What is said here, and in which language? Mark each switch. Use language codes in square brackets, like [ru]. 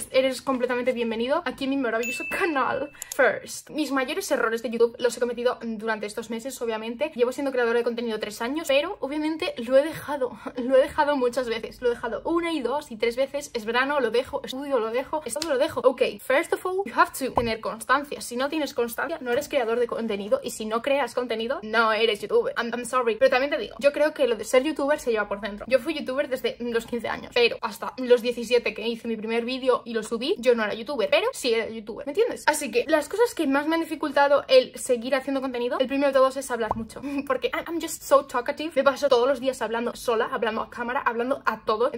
[es] Eres completamente bienvenido aquí en mi maravilloso canal. First. Mis mayores errores de YouTube los he cometido durante estos meses, obviamente. Llevo siendo creadora de contenido 3 años, pero obviamente lo he dejado. Lo he dejado muchas veces. Lo he dejado 1 y 2 y 3 veces. Es verano, lo dejo. Estudio, lo dejo. Esto lo dejo. Ok. [en] First of all, you have to [es] tener constancia. Si no tienes constancia, no eres creador de contenido. Y si no creas contenido, no eres YouTuber. [en] I'm sorry. [es] Pero también te digo, yo creo que lo de ser YouTuber se lleva por dentro. Yo fui YouTuber desde los 15 años. Pero hasta los 17 que hice mi primer vídeo y lo subí, yo no era YouTuber, pero sí era YouTuber, ¿me entiendes? Así que las cosas que más me han dificultado el seguir haciendo contenido, el primero de todos es hablar mucho, porque [en] I'm just so talkative. [es] Me paso todos los días hablando sola, hablando a cámara, hablando a todos.